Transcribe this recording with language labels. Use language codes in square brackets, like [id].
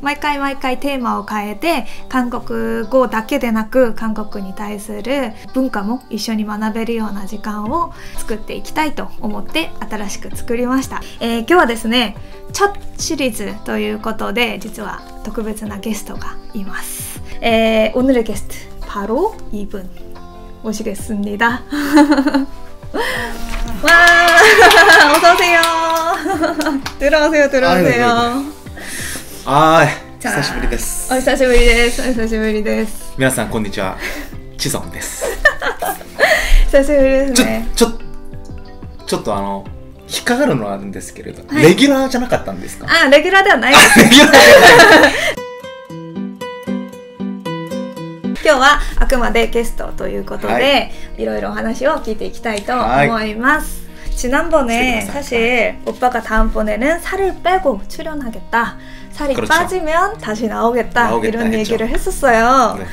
[ja] 毎回毎回テーマを変えて、韓国語だけでなく韓国に対する文化も一緒に学べるような時間を作っていきたいと思って新しく作りました。今日はですね、チャットシリーズということで、実は特別なゲストがいます。 [ko] 오늘의게스트바로이분오시겠습니다。 와어서오세요들어오세요들어오세요 [ja] 아, 아久しぶりです 오久しぶりです久しぶりです皆さんこんにちは지성です久しぶりですねちょっと引っかかるのはあるんですけれど、はい、レギュラーじゃなかったんですかあ、レギュラーではないです今日はあくまでゲストということで、はい、いろいろお話を聞いていきたいと思います、はい [ko] 지난번에사실오빠가다음번에는살을빼고출연하겠다살이빠지면다시나오겠다이런얘기를했었어요